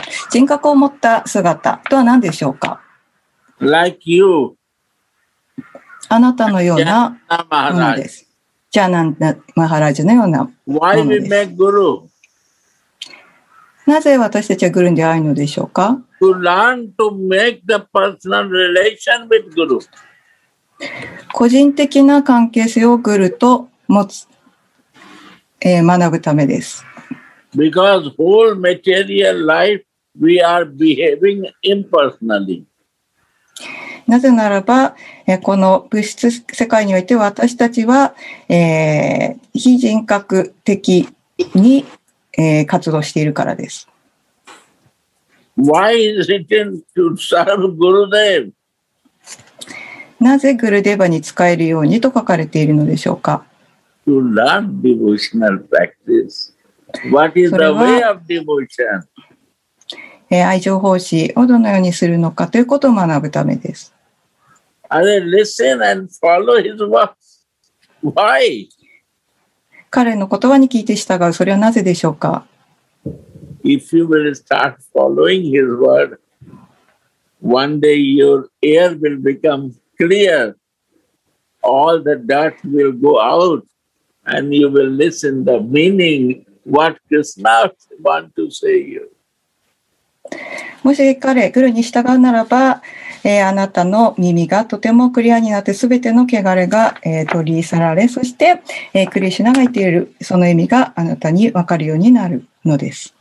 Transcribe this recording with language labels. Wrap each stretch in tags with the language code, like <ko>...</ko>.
<ja>人格を持った姿とは何でしょうか?</ja> <en>Like you.</en> <ja>あなたのようなものです。ジャナナマハラジュのようなものです。なぜ私たちはグルに出会うのでしょうか</ja> <en>？To learn to make the personal relation with guru.</en> <ja>個人的な関係性をグルと持つ、学ぶためです。</ja> <en>Because whole material life we are behaving impersonally.</en> <ja>なぜならば、この物質世界において私たちは、非人格的に、活動しているからです。</ja> <en>Why is it in to serve Gurudev?</en> <ja>なぜグルデバに使えるようにと書かれているのでしょうか</ja> <en>?To learn devotional practice.What is the way of devotion?</en> <ja>愛情奉仕をどのようにするのかということを学ぶためです。</ja> <en>And then listen and follow his words. Why?</en> <ja>彼の言葉に聞いて従う、それはなぜでしょうか?</ja> <en>If you will start following his word, one day your air will become clear. All the dirt will go out, and you will listen the meaning what Krishna wants to say you.</en> <ja>もし彼、グルに従うならば、あなたの耳がとてもクリアになって全ての汚れが、取り去られそして、クリシュナが言っているその意味があなたに分かるようになるのです。</ja>